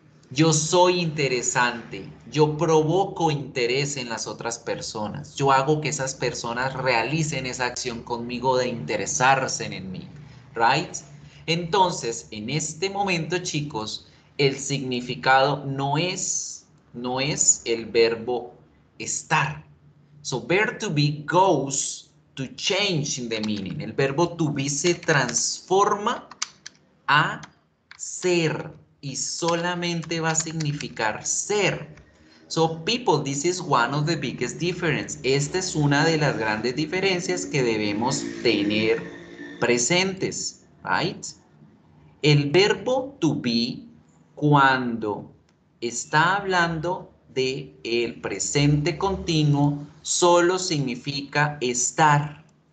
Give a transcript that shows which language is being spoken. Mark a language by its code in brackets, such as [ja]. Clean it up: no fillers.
[es] Yo soy interesante, yo provoco interés en las otras personas, yo hago que esas personas realicen esa acción conmigo de interesarse en mí, [en] ¿right? [es] Entonces, en este momento, chicos, el significado no es el verbo estar. [en] So, verb to be goes to change in the meaning. [es] El verbo to be se transforma a ser. Y solamente va a significar ser. [en] So, people, this is one of the biggest differences. [es] Esta es una de las grandes diferencias que debemos tener presentes, [en] right? [es] El verbo to be, cuando está hablando de el presente continuo, solo significa estar.